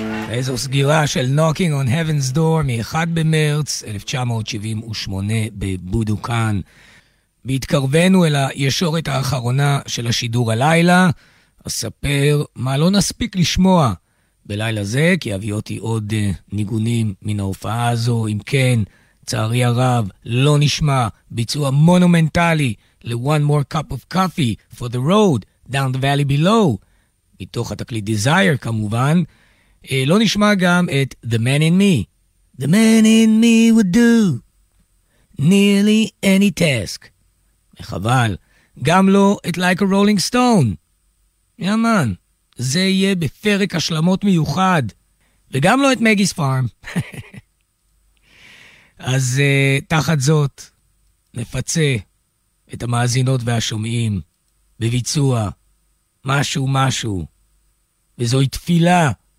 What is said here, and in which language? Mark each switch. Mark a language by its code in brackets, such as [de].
[he] איזו סגירה של Knocking on Heaven's Door מ-1 במרץ 1978 בבודוקן. בהתקרבנו אל הישורת האחרונה של השידור הלילה, אספר מה לא נספיק לשמוע בלילה זה, כי אביא אותי עוד ניגונים מן ההופעה הזו. אם כן, צערי הרב, לא נשמע ביצוע מונומנטלי ל-One More Cup of Coffee for the Road Down the Valley Below, מתוך התקליט Desire כמובן. לא נשמע גם את The Man in Me. [en] The Man in Me would do nearly any task. [he] חבל. גם לא את Like a Rolling Stone. יאמן, זה יהיה בפרק השלמות מיוחד. וגם לא את Maggie's Farm. אז תחת זאת, נפצה את המאזינות והשומעים בביצוע משהו משהו. וזוהי תפילה.